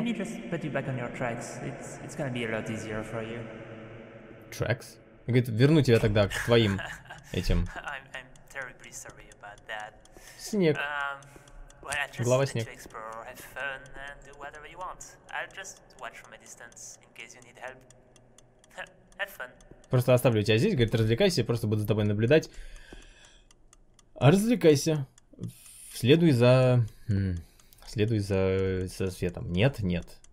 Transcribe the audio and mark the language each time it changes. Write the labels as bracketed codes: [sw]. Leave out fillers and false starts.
[en] Let me just put you back on your tracks. It's gonna be a lot easier for you. Tracks? [ru] Говорит, верну тебя тогда к твоим этим. [en] I'm terribly sorry about that. [ru] Снег. [en] Well, I'll just [ru] Глава снег. [en] Explore, have fun and do whatever you want. I'll just watch from a distance in case you need help. Have fun. [ru] Просто оставлю тебя здесь, говорит, развлекайся, я просто буду за тобой наблюдать. А развлекайся. Следуй за светом. Нет, нет.